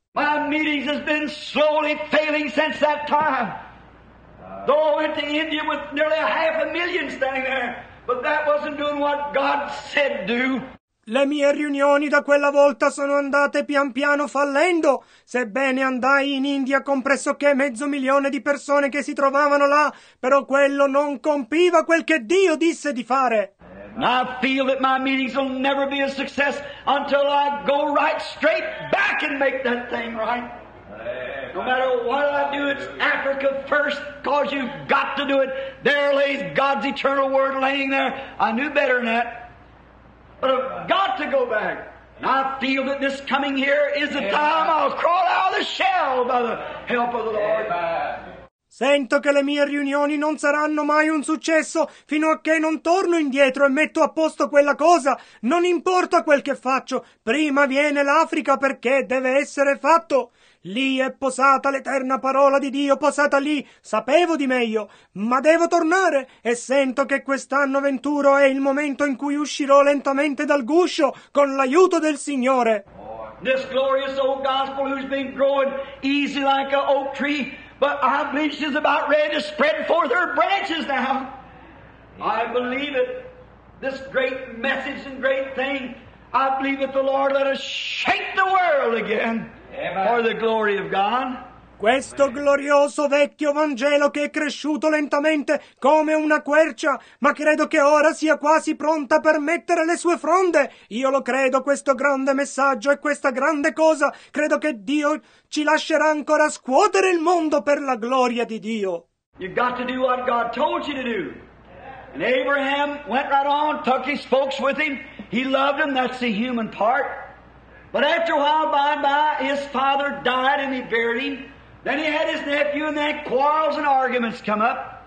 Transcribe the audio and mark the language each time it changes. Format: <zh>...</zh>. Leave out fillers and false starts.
<en>My meetings has been slowly failing since that time. Though I went to India with nearly a 500,000 standing there, but that wasn't doing what God said to do.</en> <it>Le mie riunioni da quella volta sono andate pian piano fallendo, sebbene andai in India con pressoché 500,000 di persone che si trovavano là, però quello non compiva quel che Dio disse di fare.</it> <en>I feel that my meetings will never be a success until I go right straight back and make that thing right. No matter what I do, it's Africa first, cause you've got to do it. There lays God's eternal word laying there. I knew better than that. But I've got to go back. And I feel that this coming here is the time I'll crawl out of the shell by the help of the Lord.</en> <it>Sento che le mie riunioni non saranno mai un successo fino a che non torno indietro e metto a posto quella cosa. Non importa quel che faccio, prima viene l'Africa perché deve essere fatto. Lì è posata l'eterna parola di Dio, posata lì, sapevo di meglio, ma devo tornare e sento che quest'anno venturo è il momento in cui uscirò lentamente dal guscio con l'aiuto del Signore.</it> <en>This glorious old gospel who's been growing easy like an oak tree, but I believe she's about ready to spread forth her branches now. I believe it. This great message and great thing, I believe that the Lord let us shake the world again. For the glory of God.</en> <it>Questo glorioso vecchio Vangelo che è cresciuto lentamente come una quercia, ma credo che ora sia quasi pronta per mettere le sue fronde. Io lo credo, questo grande messaggio e questa grande cosa. Credo che Dio ci lascerà ancora scuotere il mondo per la gloria di Dio.</it> <en>You've got to do what God told you to do. And Abraham went right on, took his folks with him. He loved them, that's the human part. But after a while, by and by, his father died and he buried him. Then he had his nephew and then quarrels and arguments come up.</en>